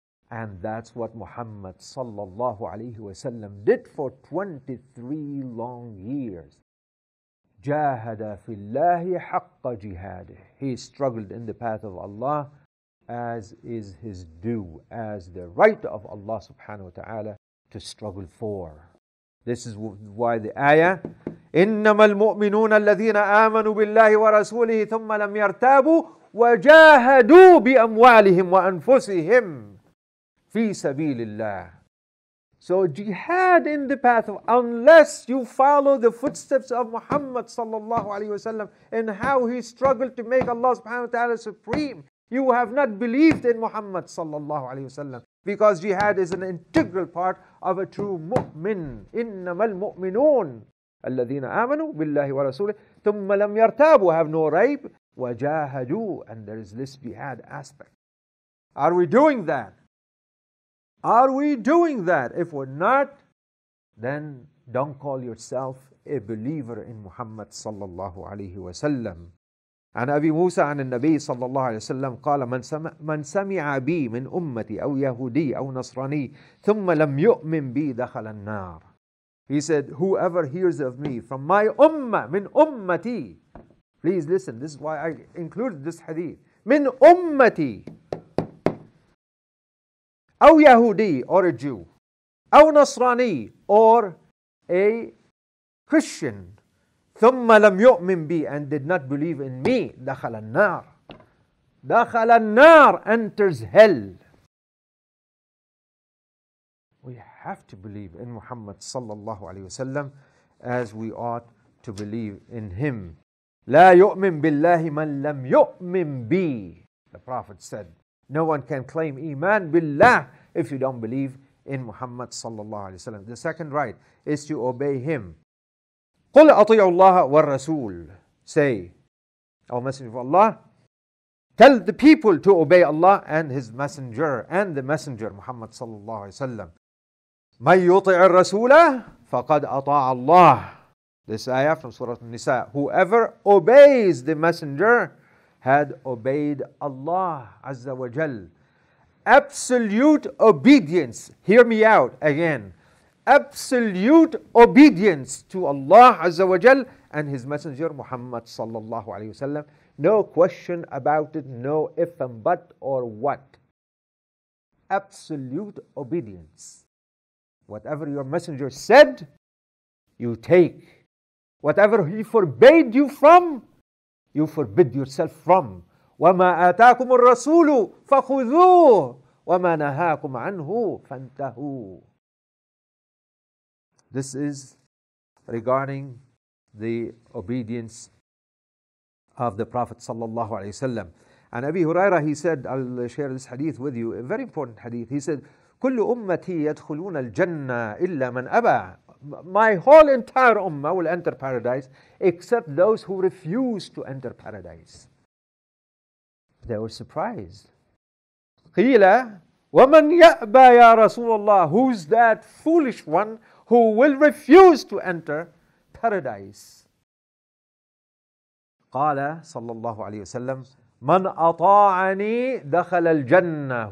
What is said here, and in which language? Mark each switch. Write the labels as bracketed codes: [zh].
[en] And that's what Muhammad sallallahu alayhi wasallam did for 23 long years. [ar] Jahada fi Allahi haqqa jihadih. [en] He struggled in the path of Allah as is his due, as the right of Allah subhanahu wa ta'ala to struggle for. This is why the ayah, [ar] إِنَّمَا الْمُؤْمِنُونَ الَّذِينَ آمَنُوا بِاللَّهِ وَرَسُولِهِ ثُمَّ لَمْ يَرْتَابُوا وَجَاهَدُوا بِأَمْوَالِهِمْ وَأَنفُسِهِمْ فِي سَبِيلِ اللَّهِ. [en] So jihad in the path of, unless you follow the footsteps of Muhammad sallallahu alayhi wasallam and how he struggled to make Allah subhanahu wa ta'ala supreme, you have not believed in Muhammad sallallahu alayhi wasallam. Because jihad is an integral part of a true mu'min. [ar] إِنَّمَا الْمُؤْمِنُونَ الَّذِينَ آمَنُوا بِاللَّهِ وَرَسُولِهِ ثُمَّ لَمْ يَرْتَابُوا, [en] have no raib, [ar] وَجَاهَدُوا. [en] And there is this jihad aspect. Are we doing that? Are we doing that? If we're not, then don't call yourself a believer in Muhammad sallallahu alayhi wasallam. [ar] عن أبي موسى عن النبي صلى الله عليه وسلم قال من سمع بي من أمتي أو يهودي أو نصراني ثم لم يؤمن بي دخل النار. [en] He said, whoever hears of me from my ummah, [ar] من أمتي. [en] Please listen, this is why I included this hadith. [ar] من أمتي. أو يهودي [en] or a Jew. [ar] أو نصراني [en] or a Christian. [ar] ثُمَّ لَمْ يُؤْمِنْ بِي [en] and did not believe in me, [ar] دَخَلَ النَّارِ. دخل النار [en] enters hell. We have to believe in Muhammad sallallahu alayhi wasallam as we ought to believe in him. [ar] لا يؤمن بالله من لم يؤمن بي. [en] The Prophet said, no one can claim iman billah if you don't believe in Muhammad sallallahu alayhi wasallam. The second right is to obey him. [ar] قل أطيع الله والرسول. [en] Say, O Messenger of Allah, tell the people to obey Allah and His Messenger and the Messenger Muhammad sallallahu alayhi wasallam. [ar] من يطيع الرسول فقد أطاع الله. [en] This ayah from Surah An-Nisa. Whoever obeys the Messenger had obeyed Allah Azza wa Jal. Absolute obedience. Hear me out again. Absolute obedience to Allah Azza wa Jal and His Messenger Muhammad sallallahu alayhi wasallam. No question about it. No if and but or what. Absolute obedience. Whatever your messenger said, you take. Whatever he forbade you from, you forbid yourself from. [ar] وَمَا آتَاكُمُ الرَّسُولُ فَخُذُوهُ وَمَا نَهَاكُمْ عَنْهُ فَانْتَهُوا. [en] This is regarding the obedience of the Prophet sallallahu alayhi wasallam. And Abi Huraira, he said, I'll share this hadith with you, a very important hadith. He said, [ar] كل أمتي يدخلون الجنة إلا من أبى. [en] My whole entire ummah will enter paradise except those who refuse to enter paradise. They were surprised. [ar] قيل ومن يأبى يا رسول الله. [en] Who's that foolish one who will refuse to enter paradise? [ar] قال صلى الله عليه وسلم من أطاعني دخل الجنة.